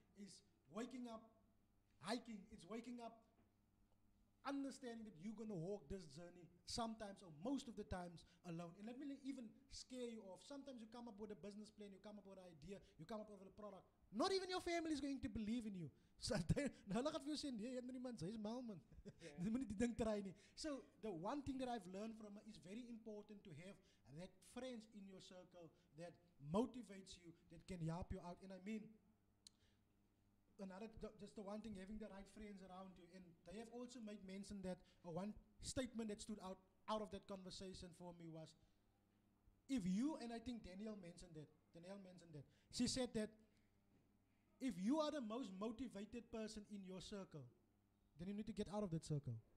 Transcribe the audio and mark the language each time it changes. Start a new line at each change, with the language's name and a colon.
English: Is waking up, hiking. It's waking up, understanding that you're going to walk this journey sometimes or most of the times alone. And let me even scare you off. Sometimes you come up with a business plan, you come up with an idea, you come up with a product. Not even your family is going to believe in you.
Afrikaans: So hulle gaan vir jou sê, nee, jy het nie man, jy is mal man. Jy moet nie die ding try nie.
English: So the one thing that I've learned from is very important to have that friends in your circle that motivates you, that can help you out. And I mean, just the one thing, having the right friends around you. And they have also made mention that one statement that stood out of that conversation for me was, if you, and I think Danielle mentioned that, she said that if you are the most motivated person in your circle, then you need to get out of that circle.